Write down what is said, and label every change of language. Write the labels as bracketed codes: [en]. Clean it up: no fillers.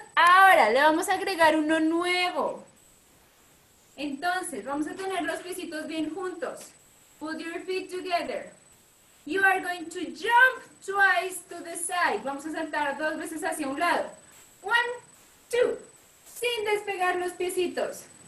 [es] Ahora le vamos a agregar uno nuevo. Entonces, vamos a tener los pisitos bien juntos. [en] Put your feet together. You are going to jump twice to the side. [es] Vamos a saltar dos veces hacia un lado. [en] One, two. [es] Sin despegar los piecitos.